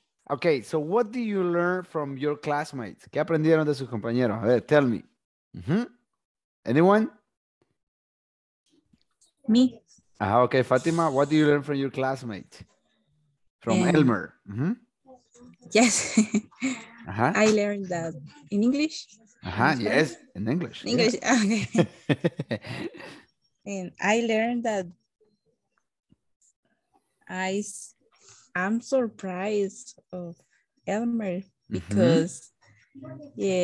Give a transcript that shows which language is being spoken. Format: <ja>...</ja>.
<en>Okay, so what do you learn from your classmates?</en> <es>¿Qué aprendieron de sus compañeros? A ver,</es> <en>tell me. Mm-hmm. Anyone? Me. Okay, Fatima, what do you learn from your classmate? From Elmer. Mm-hmm. Yes. I learned that in English. Yes, in English. English, yeah. Okay. And I learned that I'm surprised of Elmer because mm-hmm.</en>